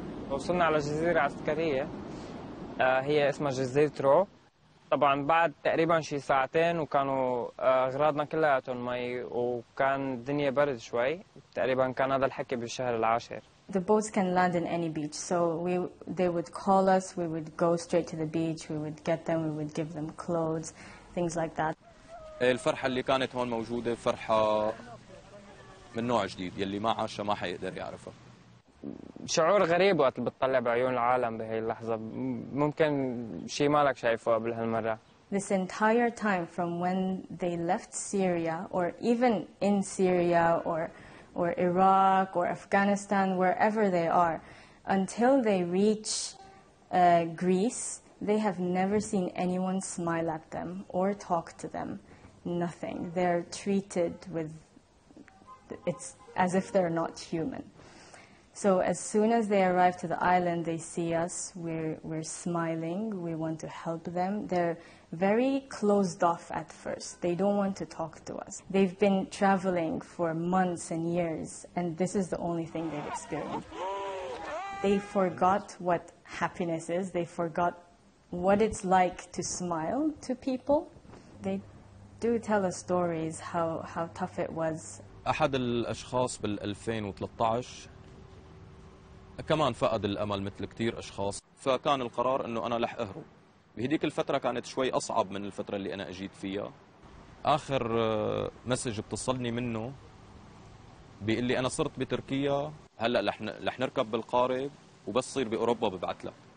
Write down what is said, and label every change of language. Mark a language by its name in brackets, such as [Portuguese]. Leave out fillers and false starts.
[Arabic] وصلنا على جزيرة عسكرية هي اسمها جزيرة رو. طبعا بعد تقريبا شي ساعتين وكانوا أغراضنا كلها تون مي وكان الدنيا برد شوي، تقريبا كان هذا الحكي بالشهر العاشر. [English] The boats can land in any beach, so they would call us, we would go straight to the beach, we would get them, we would give them clothes, things like that. [Arabic] الفرحة اللي كانت هون موجودة فرحة من نوع جديد يلي ما عاشها ما حيقدر يعرفها. شعور غريب وقت بتطلع بعيون العالم بهي اللحظة، ممكن شيء مالك شايفه قبل هالمرة. [English] This entire time from when they left Syria or even in Syria or Iraq or Afghanistan wherever they are until they reach Greece they have never seen anyone smile at them or talk to them. Nothing. They're treated with, it's as if they're not human. So as soon as they arrive to the island, they see us, we're smiling, we want to help them. They're very closed off at first. They don't want to talk to us. They've been traveling for months and years, and this is the only thing they've experienced. They forgot what happiness is. They forgot what it's like to smile to people. They do tell us stories how tough it was. [Arabic] احد الاشخاص بال 2013 كمان فقد الامل مثل كثير اشخاص، فكان القرار انه انا رح اهرب. بهديك الفتره كانت شوي اصعب من الفتره اللي انا اجيت فيها. اخر مسج بتصلني منه بيقول لي انا صرت بتركيا، هلا رح نركب بالقارب وبس صير باوروبا ببعث لك.